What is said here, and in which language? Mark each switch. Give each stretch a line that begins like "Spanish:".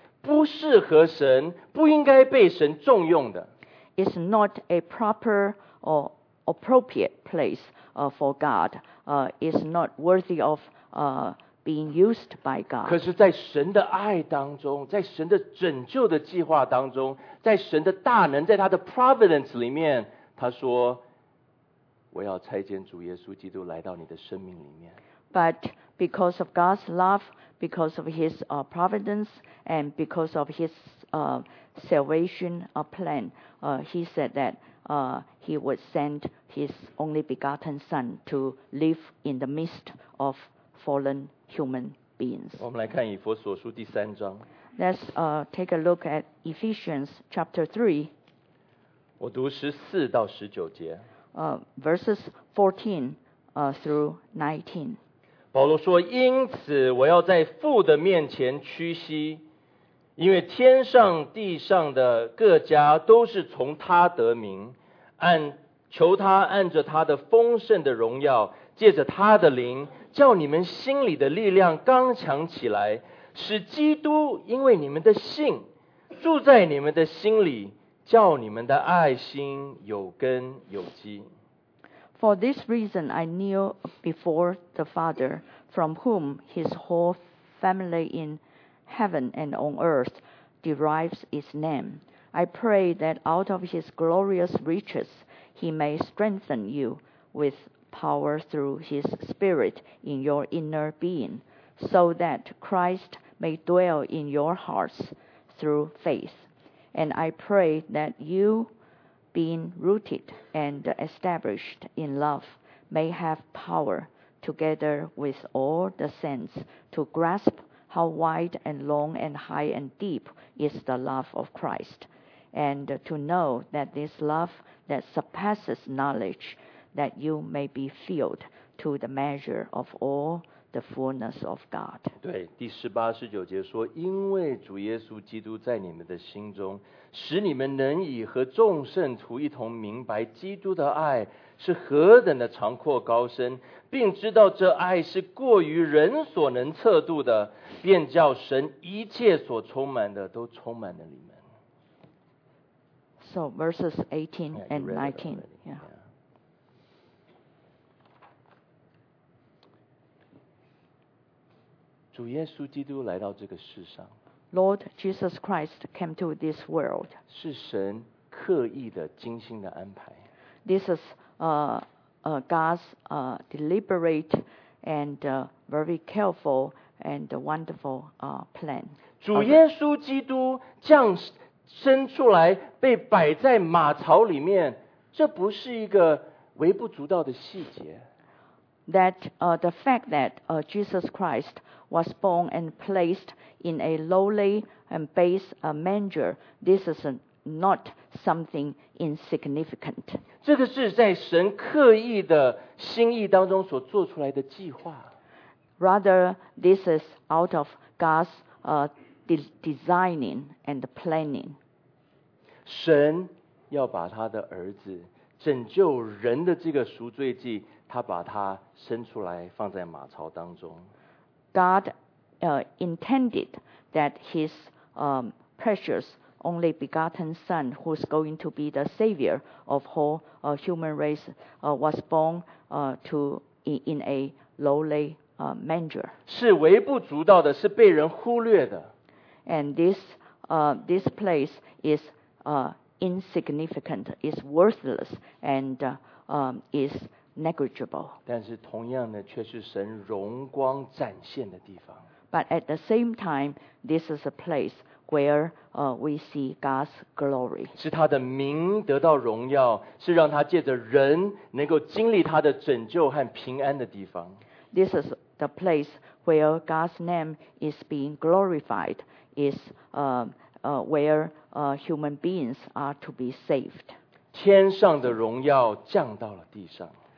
Chinese: 不适合神，不应该被神重用的。
English: It's not a proper or appropriate place for God. It's not worthy of being used by God.
Chinese: 可是在神的爱当中，在神的拯救的计划当中，在神的大能，在他的 providence 里面，他说：“我要差遣主耶稣基督来到你的生命里面。”
English: But because of God's love, because of His providence, and because of His salvation plan, He said that He would send His only begotten Son to live in the midst of fallen human beings.
Chinese: 我们来看以弗所书第三章。
English: Let's take a look at Ephesians chapter 3.
Chinese: 我读十四到十九节。
English: Verses 14 through 19.
Chinese: 保罗说：“因此，我要在父的面前屈膝，因为天上地上的各家都是从他得名，按求他按着他的丰盛的荣耀，借着他的灵，叫你们心里的力量刚强起来，使基督因为你们的信住在你们的心里，叫你们的爱心有根有基。”
English: For this reason I kneel before the Father, from whom His whole family in heaven and on earth derives its name. I pray that out of His glorious riches He may strengthen you with power through His Spirit in your inner being, so that Christ may dwell in your hearts through faith. And I pray that you... being rooted and established in love, may have power together with all the saints to grasp how wide and long and high and deep is the love of Christ, and to know that this love that surpasses knowledge, that you may be filled to the measure of all the fullness of God.
Chinese: 对，第十八、十九节说，因为主耶稣基督在你们的心中使你们能以和众圣徒一同明白基督的爱是何等的长阔高深，并知道这爱是过于人所能测度的，便叫神一切所充满的都充满了你们。
English: So verses 18 and 19. Yeah.
Chinese: 主耶稣基督来到这个世上，
English: Lord Jesus Christ came to this world.
Chinese: 是神刻意的精心的安排。
English: This is God's deliberate and very careful and wonderful plan.
Chinese: 主耶稣基督降生出来被摆在马槽里面，这不是一个微不足道的细节。
English: That the fact that Jesus Christ was born and placed in a lowly and base manger, this is not something insignificant.
Chinese: 这个是在神刻意的心意当中所做出来的计划。
English: Rather, this is out of God's designing and planning.
Chinese: 神要把他的儿子拯救人的这个赎罪祭，他把他生出来放在马槽当中。
English: God intended that his precious only begotten son, who's going to be the savior of whole human race, was born to in a lowly manger.
Chinese: 是微不足道的，是被人忽略的。
English: And this place is insignificant, is worthless, and is negligible.
Chinese: 但是同样的，却是神荣光展现的地方。
English: But at the same time, this is a place where we see God's glory.
Chinese: 是他的名得到荣耀，是让他借着人能够经历他的拯救和平安的地方。
English: This is the place where God's name is being glorified. Is where human beings are to be saved.
Chinese: 天上的荣耀降到了地上。